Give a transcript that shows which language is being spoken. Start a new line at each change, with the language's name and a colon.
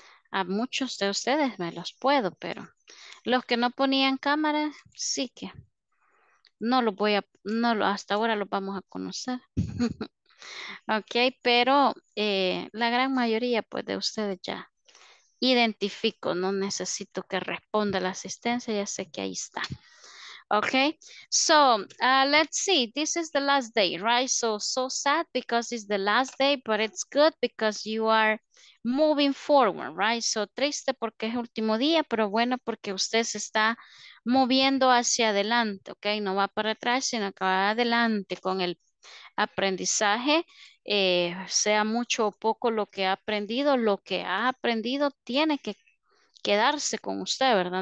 Spanish: A muchos de ustedes me los puedo, pero los que no ponían cámara, sí que no los voy a, hasta ahora los vamos a conocer. Ok, pero la gran mayoría pues de ustedes ya identifico, no necesito que responda la asistencia, ya sé que ahí está.
English: Okay, so let's see. This is the last day, right? So sad because it's the last day, but it's good because you are moving forward, right?
Spanish: So triste porque es último día, pero bueno porque usted se está moviendo hacia adelante, okay? No va para atrás, sino que va adelante con el aprendizaje. Sea mucho o poco lo que ha aprendido tiene que quedarse con usted, ¿verdad?